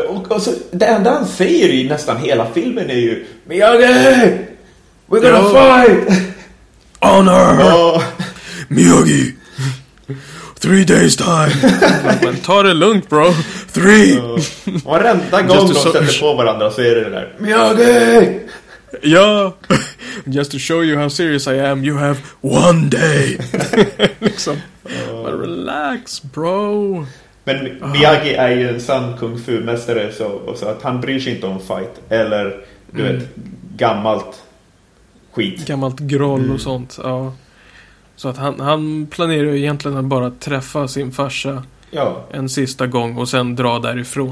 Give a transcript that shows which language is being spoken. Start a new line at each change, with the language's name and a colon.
Swedish: Och så, det enda han säger i nästan hela filmen är ju Miyagi!
English: We're gonna fight! Honor!
Swedish: Ja.
English: Miyagi! 3 days time!
Swedish: Ta det lugnt,
English: bro! 3!
Swedish: Ja. Varenda gång de sätter på varandra så är det där Miyagi! Ja!
English: Just to show you how serious I am, you have 1 day!
Swedish: Liksom.
English: But relax, bro.
Swedish: Men Miyagi är ju en sann kung fu mästare så att han bryr sig inte om fight eller du vet gammalt skit, gammalt groll och sånt. Ja. Så att han planerar ju egentligen att bara träffa sin farsa en sista gång och sen dra därifrån.